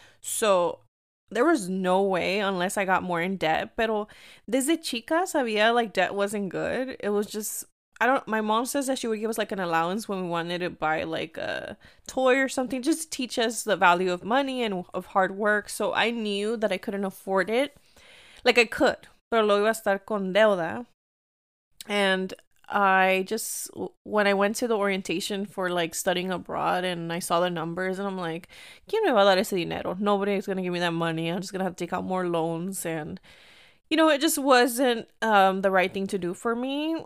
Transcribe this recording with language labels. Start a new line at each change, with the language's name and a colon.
English: So there was no way unless I got more in debt.
Spanish: Pero desde chica sabía
English: like debt wasn't good. It was just, I don't, my mom says that she would give us like an allowance when we wanted to buy like a toy or something. Just teach us the value of money and of hard work. So I knew that I couldn't afford it. Like I could,
Spanish: pero lo iba a estar con deuda.
English: And I just, when I went to the orientation for like studying abroad and I saw the numbers and I'm like,
Spanish: ¿quién me va a dar ese dinero?
English: Nobody's gonna give me that money. I'm just gonna have to take out more loans. And, you know, it just wasn't the right thing to do for me.